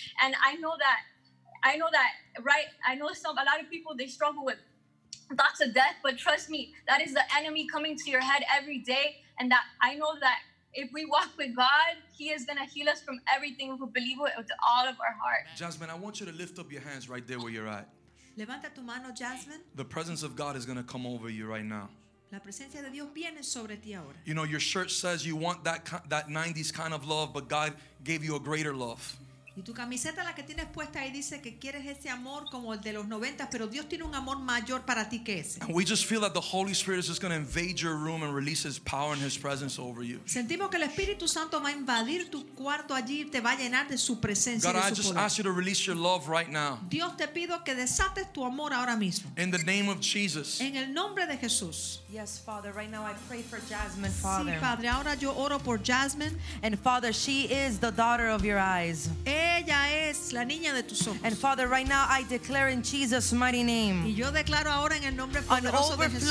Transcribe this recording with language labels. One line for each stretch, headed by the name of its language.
English: And I know that, right? I know a lot of people, they struggle with thoughts of death, but trust me, that is the enemy coming to your head every day. And that I know that if we walk with God, He is going to heal us from everything if we believe it with all of our heart. Jasmine, I want you to lift up your hands right there where you're at.
Spanish: Levanta tu mano, Jasmine.
English: The presence of God is going to come over you right now.
Spanish: La presencia de Dios viene sobre ti ahora.
English: You know, your shirt says you want that 90s kind of love, but God gave you a greater love.
Spanish: Y tu camiseta la que tienes puesta ahí dice que quieres ese amor como el de los 90, pero Dios tiene un amor mayor para ti que ese.
English: And we just feel that the Holy Spirit is just going to invade your room and release His power and His presence over you.
Spanish: Sentimos que el Espíritu Santo va a invadir tu cuarto allí y te va a llenar de su presencia
English: God,
Spanish: y de su
English: I just
Spanish: poder.
English: Ask you to release your love right now.
Spanish: Dios te pido que desates tu amor ahora mismo.
English: In the name of Jesus.
Spanish: En el nombre de Jesús.
English: Yes, Father, right now I pray for Jasmine, Father.
Spanish: Sí, Padre, ahora yo oro por Jasmine.
English: And Father, she is the daughter of your eyes.
Spanish: Ella es la niña de tus ojos.
English: And Father, right now I declare in Jesus' mighty name.
Spanish: Y yo declaro ahora en el nombre poderoso de Jesús.